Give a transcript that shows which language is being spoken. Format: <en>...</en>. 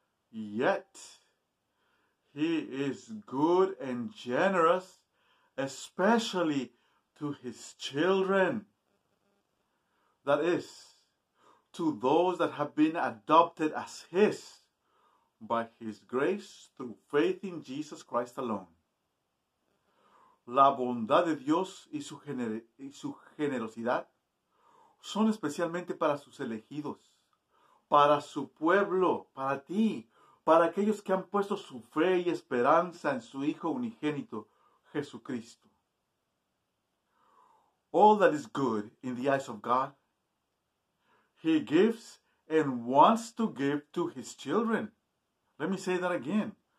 <en>Yet, He is good and generous, especially to His children. That is, to those that have been adopted as His by His grace through faith in Jesus Christ alone.</en> <es>La bondad de Dios y su generosidad son especialmente para sus elegidos, para su pueblo, para ti, para aquellos que han puesto su fe y esperanza en su Hijo unigénito, Jesucristo.</es> <en>All that is good in the eyes of God, He gives and wants to give to His children. Let me say that again.</en>